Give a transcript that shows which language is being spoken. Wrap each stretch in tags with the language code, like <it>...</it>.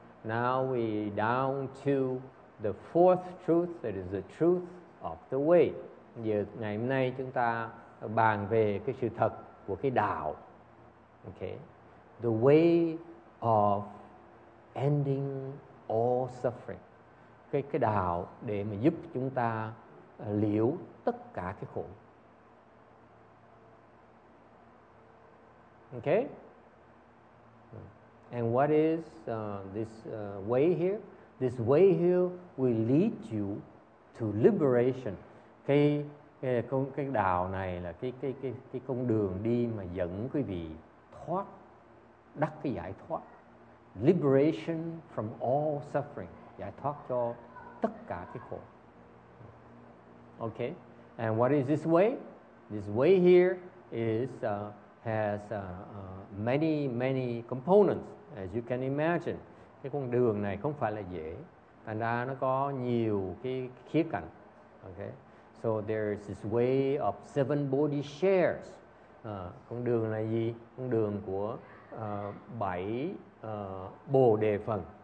<en>Now we down to the fourth truth, that is the truth of the way.</en> <vi>Giờ ngày hôm nay chúng ta bàn về cái sự thật của cái đạo. Okay.</vi> <en>The way of ending all suffering.</en> <vi>Cái đạo để mà giúp chúng ta liễu tất cả cái khổ.</vi> <en>Okay. And what is this way here? This way here will lead you to liberation.</en> <vi>Cái đạo này là cái con đường đi mà dẫn quý vị thoát, đắc cái giải thoát.</vi> <en>Liberation from all suffering,</en> <vi>giải thoát cho tất cả cái khổ.</vi> <en>Okay, and what is this way? This way here is has many components, as you can imagine.</en> <vi>Cái con đường này không phải là dễ, thành ra nó có nhiều cái khía cạnh.</vi> <en>Okay, so there is this way of seven body shares.</en> <vi>Con đường là gì? Con đường của bảy bồ đề phần.</vi>